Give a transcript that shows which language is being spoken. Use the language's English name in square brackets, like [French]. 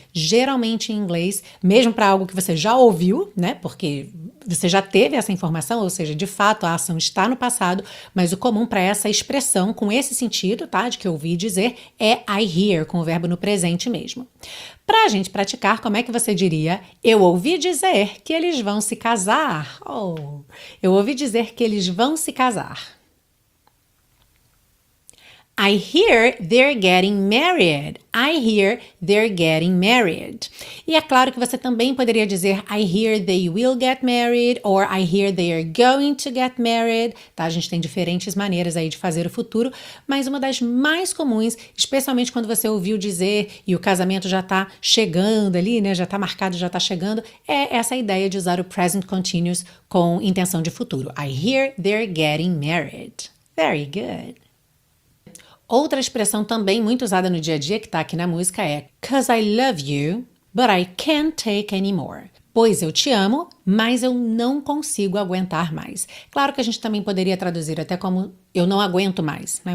[Portuguese] Geralmente em inglês, mesmo para algo que você já ouviu, né, porque você já teve essa informação, ou seja, de fato a ação está no passado, mas o comum para essa expressão, com esse sentido, tá, de que eu ouvi dizer, é I hear, com o verbo no presente mesmo. Para a gente praticar, como é que você diria, eu ouvi dizer que eles vão se casar? Oh, eu ouvi dizer que eles vão se casar. [English] I hear they're getting married. I hear they're getting married. [Portuguese] E é claro que você também poderia dizer [English] I hear they will get married [Portuguese] or [English] I hear they're going to get married. [Portuguese] Tá? A gente tem diferentes maneiras aí de fazer o futuro, mas uma das mais comuns, especialmente quando você ouviu dizer e o casamento já tá chegando ali, né? Já tá marcado, já tá chegando, é essa ideia de usar o present continuous com intenção de futuro. [English] I hear they're getting married. Very good. [Portuguese] Outra expressão também muito usada no dia a dia que está aqui na música é [English] 'cause I love you, but I can't take anymore. [Portuguese] Pois eu te amo, mas eu não consigo aguentar mais. Claro que a gente também poderia traduzir até como eu não aguento mais, né?